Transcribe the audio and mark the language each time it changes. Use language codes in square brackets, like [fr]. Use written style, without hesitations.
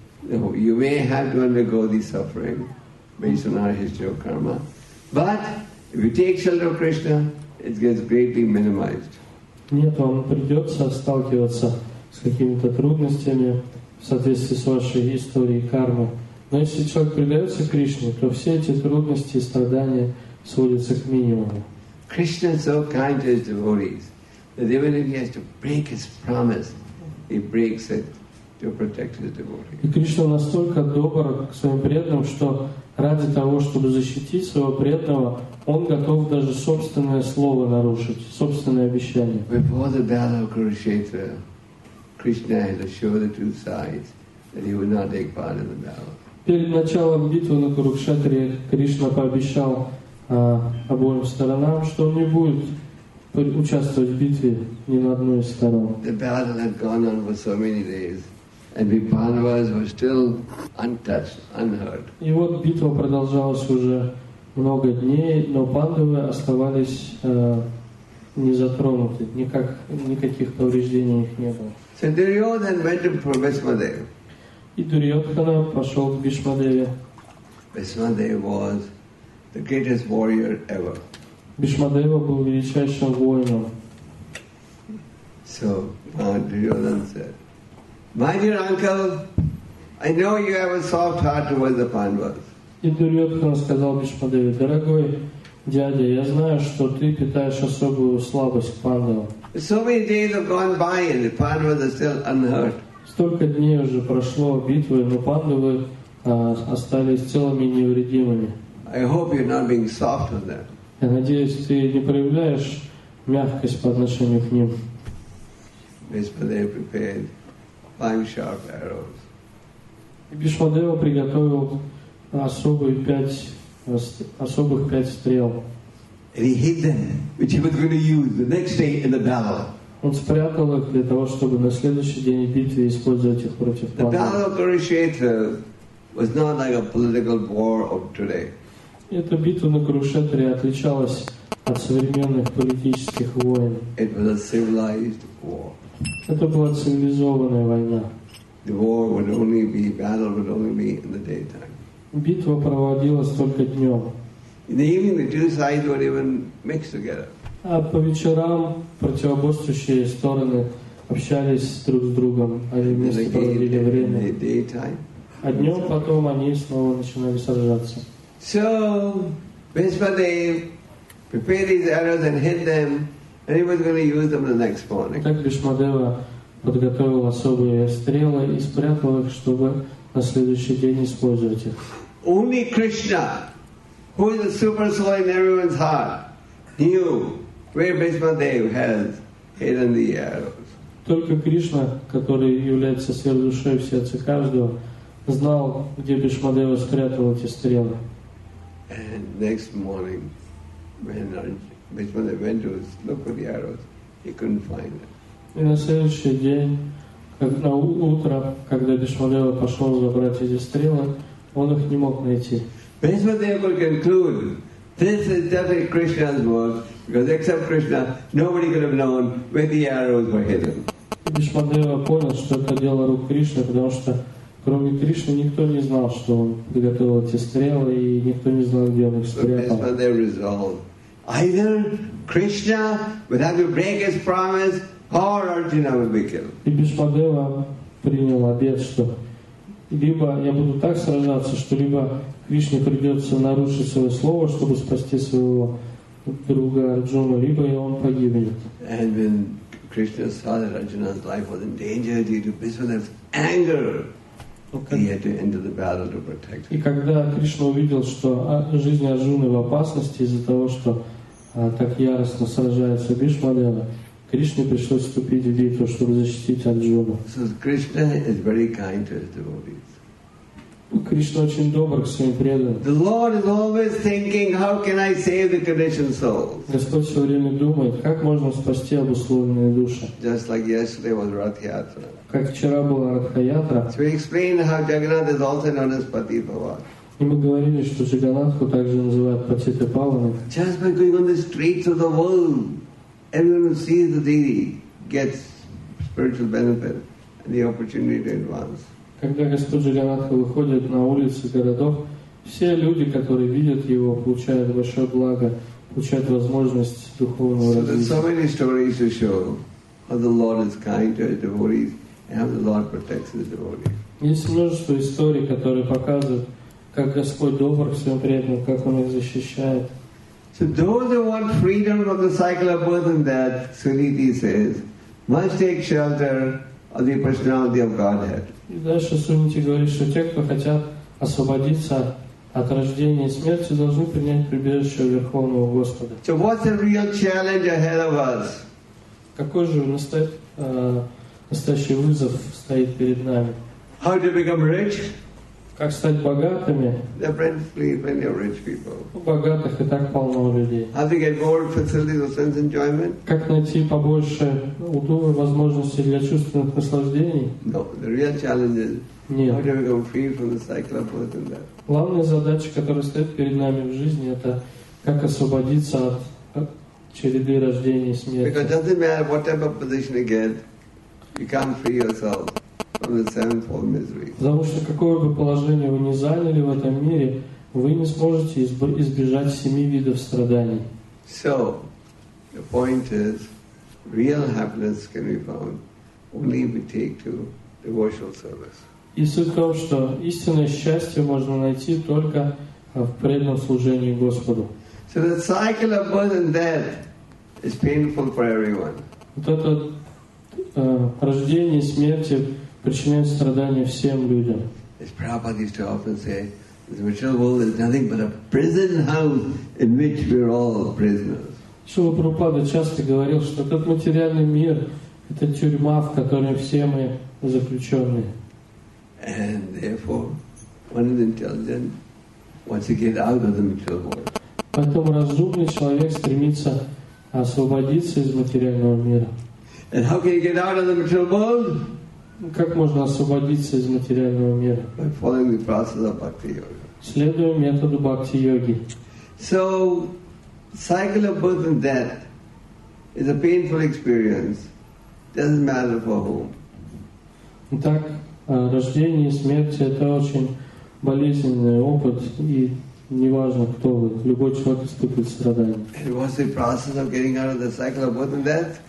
[en] You may have to undergo the suffering based on our history of karma, but if you take shelter of Krishna, it gets greatly minimized. [ru] Нет, вам придется сталкиваться с какими-то трудностями в соответствии с вашей историей кармы. Но если человек предается Кришне, то все эти трудности и страдания сводятся к минимуму. [en] Krishna is so kind to his devotees that even if he has to break his promise, he breaks it to protect his devotee. [ru] И Кришна настолько добр к своим преданным, что ради того, чтобы защитить своего преданного, он готов даже собственное слово нарушить, собственное обещание. [en] Before the battle of Kurukshetra, Krishna had assured the two sides that he would not take part in the battle. [ru] Перед началом битвы на Курукшетре Кришна пообещал обоим сторонам, что он не будет участвовать в битве ни на одной из сторон. [en] The battle had gone on for so many days, and the Pandavas were still untouched, unhurt. [ru] И вот битва продолжалась уже много дней, но Пандавы оставались незатронуты, никаких повреждений их не было. [en] So Duryodhana went to Bhishmadeva. [ru] И Дурьотхана пошел к Бхишмадеве. [en] Bhishmadeva was the greatest warrior ever. [ru] Бишмадева был величайшим воином. [en] So, Duryodhana said, "My dear uncle, I know you have a soft heart towards the Pandavas." [ru] И Дурьотхана сказал Бишмадеве, дорогой дядя, я знаю, что ты питаешь особую слабость к Пандавам. [en] So many days have gone by and the Pandavas are still unhurt. [ru] Столько дней уже прошло битвы, но Пандавы остались целыми и невредимыми. [en] I hope you're not being soft on them. [ru] Я надеюсь, ты не проявляешь мягкость по отношению к ним. [en] Bhishmadeva prepared five sharp arrows. [ru] Бишмадева приготовил особых пять стрел. [en] And he hid them, which he was going to use the next day in the battle. [ru] Он спрятал их для того, чтобы на следующий день битвы использовать их против Пандавов. [en] The battle of Kurukshetra was not like a political war of today. [ru] Эта битва на Курукшетре отличалась от современных политических войн. [en] It was a civilized war. [ru] Это была цивилизованная война. [en] The war would only be battle would only be in the daytime. [ru] Битва проводилась только днем. [en] In the evening, the two sides would even mix together. [ru] А по вечерам противоборствующие стороны общались друг с другом, они вместе проводили время. [en] In the daytime. [ru] А днем потом они снова начинали сражаться. [en] So, Bhishmadev prepared his arrows and hid them, and he was going to use them the next morning. [ru] Так Бишмадева подготовил особые стрелы и спрятал их, чтобы на следующий день использовать их. [en] Only Krishna, who is the super soul in everyone's heart, knew where Bhishmadev has hidden the arrows. [ru] Только Кришна, который является сверхдушой в сердце каждого, знал, где Бишмадева спрятал эти стрелы. [en] And next morning, when Bhishmadev went to look for the arrows, he couldn't find them. [ru] И на следующий день, как на утро, когда Бишмадев пошел забрать эти стрелы, он их не мог найти. [en] Bhishmadev could conclude, this is definitely Krishna's work, because except Krishna, nobody could have known where the arrows were hidden. [ru] Бишмадев понял, что это дело рук Кришны, потому что кроме Кришны никто не знал, что он приготовил эти стрелы, и никто не знал, где он их спрятал. [en] Either Krishna would have to break his promise, or Arjuna would be killed. [ru] И Бишмадева принял обет, что либо я буду так сражаться, что либо Кришне придется нарушить свое слово, чтобы спасти своего друга Арджуну, либо и он погибнет. [en] And when Krishna saw that Arjuna's life was in danger due to Bhishmadev's anger, he had to enter the battle to protect him. [ru] И когда Кришна увидел, что жизнь Арджуны в опасности из-за того, что так яростно сражается Бишмадева, Кришне пришлось вступить в битву, чтобы защитить Арджуну. [en] So Krishna is very kind to his devotees. [ru] Кришна очень добр к своим преданным. [en] The Lord is always thinking, how can I save the conditioned souls? [ru] Господь все время думает, как можно спасти обусловленные души. [en] Just like yesterday was Ратхиатра. [ru] Как вчера была Ратхиатра. [en] So we explained how Jagannath is also known as Patitapava. [ru] И мы говорили, что Джаганатху также называют Патитапаваной. [en] Just by going on the streets of the world, everyone who sees the deity gets spiritual benefit and the opportunity to advance. [ru] Когда Господь Джаганатха выходит на улицы городов, все люди, которые видят его, получают большое благо, получают возможность духовного развития. [en] So there's so many stories to show how the Lord is kind to his devotees and how the Lord protects his devotees. [ru] Есть множество историй, которые показывают, как Господь добр к своим преданным, как он их защищает. [en] So those who want freedom from the cycle of birth and death, Suniti says, must take shelter of the personality of Godhead. [ru] И дальше Суниты говорит, что те, кто хотят освободиться от рождения и смерти, должны принять прибежище Верховного Господа. [en] So what's the real challenge ahead of us? [ru] Какой же настоящий вызов стоит перед нами? [en] How to become rich? [ru] Как стать богатыми? [en] There are plenty of rich people. [ru] У богатых и так полно людей. [en] How to get more facilities of sense enjoyment? [ru] Как найти побольше удобных возможностей для чувственных наслаждений? [en] No, the real challenge is [ru] нет. [en] How to become free from the cycle of birth and death. [ru] Главная задача, которая стоит перед нами в жизни, это как освободиться от череды рождения и смерти. [en] Because it doesn't matter what type of position you get, you can't free yourself. From the sevenfold misery. [ru] Потому что какое бы положение вы ни заняли в этом мире, Вы не сможете избежать семи видов страданий. [en] So, the point is, real happiness can be found only if we take to devotional service. [ru] И суть в том, что истинное счастье можно найти только в преданном служении Господу. [en] So the cycle of birth and death is painful for everyone. [ru] Вот это рождение и смерть причиняют страдания всем людям. [en] As Prabhupada used to often say, the material world is nothing but a prison house in which we are all prisoners. [ru] Шрила Прабхупада часто говорил, что этот материальный мир — это тюрьма, в которой все мы заключенные. [en] And therefore, one is intelligent wants to get out of the material world. [ru] Поэтому разумный человек стремится освободиться из материального мира. [en] And how can you get out of the material world? [ru] Как можно освободиться из материального мира? [en] By following the process of bhakti-yoga. [ru] Следуя методу бхакти-йоги. [en] So, cycle of birth and death is a painful experience. Doesn't matter for whom. [ru] Итак, рождение и смерть — это очень болезненный опыт, и неважно, кто вы, любой человек испытывает страдания. [en] And what's the process of getting out of the cycle of birth and death?